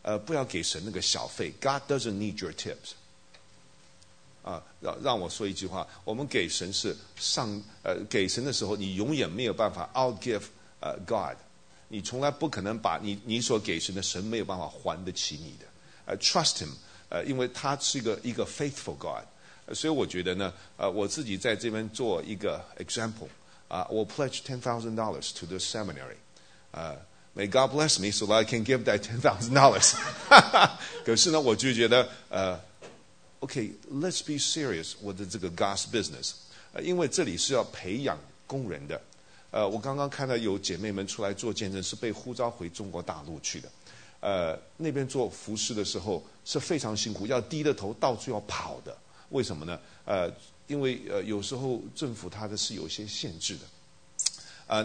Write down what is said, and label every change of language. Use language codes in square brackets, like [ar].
[zh] 不要给神那个小费 ， [en] God doesn't need your tips。 [zh] 让我说一句话，我们给神是上，给神的时候，你永远没有办法 [en] outgive God， [zh] 你从来不可能把你所给神的，神没有办法还得起你的。 [en] Trust him， [zh] 因为他是一个 [en] faithful God， [zh] 所以我觉得呢，我自己在这边做一个 [en] example， 我 pledge $10,000 to the seminary， May God bless me so that I can give that $10,000 [zh] 可是呢，我就觉得 [en] Okay, let's be serious with the God's business. [zh] 因为这里是要培养工人的。我刚刚看到有姐妹们出来做见证，是被呼召回中国大陆去的。那边做服侍的时候是非常辛苦，要低着头到处要跑的。为什么呢？因为有时候政府它的是有些限制的。